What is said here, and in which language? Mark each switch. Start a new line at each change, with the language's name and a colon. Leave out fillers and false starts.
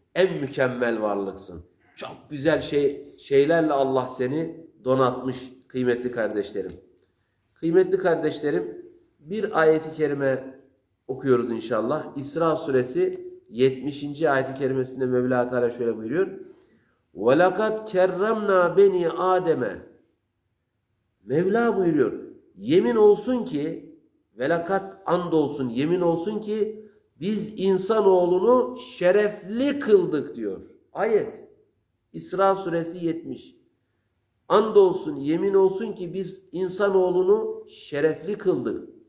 Turkish: En mükemmel varlıksın. Çok güzel şeylerle Allah seni donatmış kıymetli kardeşlerim. Kıymetli kardeşlerim, bir ayeti kerime okuyoruz inşallah. İsra suresi 70. ayeti kerimesinde Mevla Teala şöyle buyuruyor.
Arabic: وَلَقَدْ كَرَّمْنَا بَنِي آدَمَ
Turkish: Mevla buyuruyor. Yemin olsun ki, velakat and olsun, yemin olsun ki biz insanoğlunu şerefli kıldık diyor. Ayet. İsra suresi 70. And olsun, yemin olsun ki biz insanoğlunu şerefli kıldık.